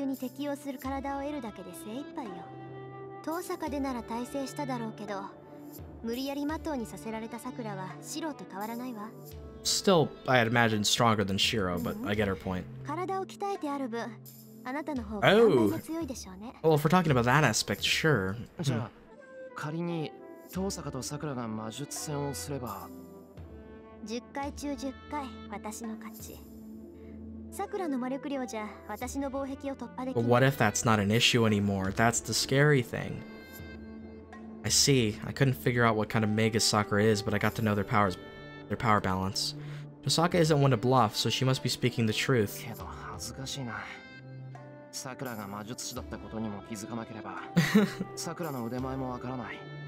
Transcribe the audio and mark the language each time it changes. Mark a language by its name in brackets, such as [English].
[Japanese] そう。海中に適応する体を得るだけで精一杯よ。遠坂でなら耐性しただろうけど、 無理やり魔党にさせられた桜はシロと変わらないわ。 [English] Still, I had imagined stronger than Shiro, but I get her point. [Japanese] 体を鍛えてある分、あなたの方が体が強いでしょうね。 Oh! [English] Well, if we're talking about that aspect, sure. [Japanese] じゃあ、仮に… 遠坂とさくらが魔術戦をすれば 10回中10回、私の勝ち さくらの魔力量じゃ、私の防壁を突破できない。 [English] What if that's not an issue anymore? That's the scary thing. I see. I couldn't figure out what kind of Mega Sakura is, but I got to know their power balance. Tosaka isn't one to bluff, so she must be speaking the truth. [Japanese] けど恥ずかしいな。さくらが魔術師だったことにも気づかなければ さくらの腕前もわからない。